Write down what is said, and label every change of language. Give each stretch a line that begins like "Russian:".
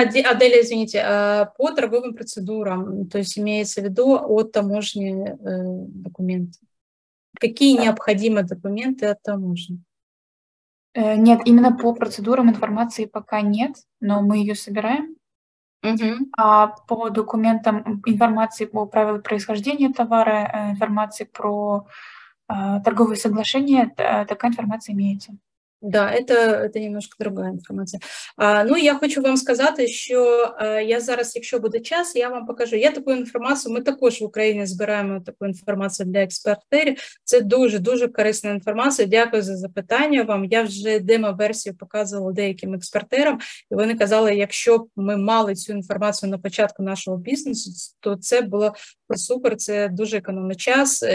Ukrainian: Аделія, звініть, по торговим процедурам, тобто імеється в виду от таможні документи. Які необхідні документи от таможні? Нет, іменно по процедурам інформації поки нет, но ми її збираємо. Uh-huh.
Russian: А по документам информации по правилам происхождения товара, информации про торговые соглашения, такая информация имеется. Да, это немножко другая информация.
Ukrainian: Ну, я хочу вам сказати, що я зараз, якщо буде час, я вам покажу. Я таку інформацію, ми також в Україні збираємо таку інформацію для експертерів. Це дуже-дуже корисна інформація. Дякую за запитання вам. Я вже демо-версію показувала деяким експертерам, і вони казали, якщо б ми мали цю інформацію на початку нашого бізнесу, то це було супер, це дуже економить час.